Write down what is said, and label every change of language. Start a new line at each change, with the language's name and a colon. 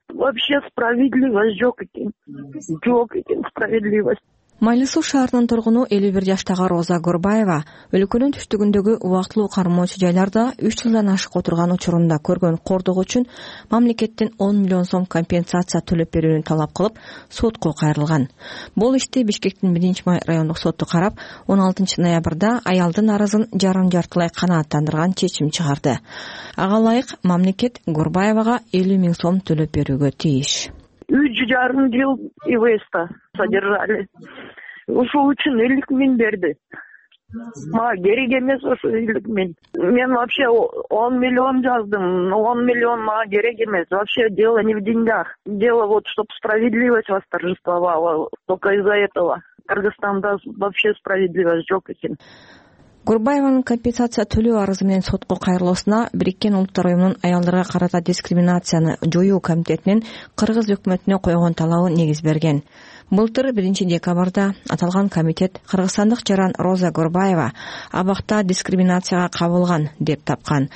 Kyrgyz: Вообще справедливость жок экен. Жок экен справедливость. Майлысуу шаарынын тургуну 51 жаштагы Роза Горбаева өлкөнүн түштүгүндөгү убактылуу кармоочу жайларда 3 жылдан ашык отурган учурунда көргөн кордугу үчүн мамлекеттен 10,000,000 сом компенсация төлөп берүүнү талап кылып сотко кайрылган. Бул ишти Бишкектин 1-май райондук соту карап, 16 ноябрда аялдын арызын жарым жартылай канааттандырган чечим чыгарды. Ага ылайык, мамлекет Горбаевага 50,000 сом төлөп берүүгө тийиш. 3.5 жыл ИВС-та содержали. Ушул үчүн 50,000 берди. Мага керек эмес ушул 50,000. Мен вообще 10,000,000 жаздым. 10,000,000 мага керек эмес.
Russian: Вообще дело не в деньгах. Дело вот, чтоб справедливость восторжествовала. Только из-за этого.
Kyrgyz: Кыргызстанда вообще справедливость жок экен. Курбаеванын компенсация төлөө арызы менен сотко кайрылуусуна Бириккен улуттар уюмунун аялдарга карата дискриминацияны жоюу комитетинин кыргыз өкмөтүнө койгон талабы негиз берген. Былтыр 1 декабрда аталган комитет кыргызстандык жаран Роза Горбаева абакта дискриминацияга кабылган деп тапкан.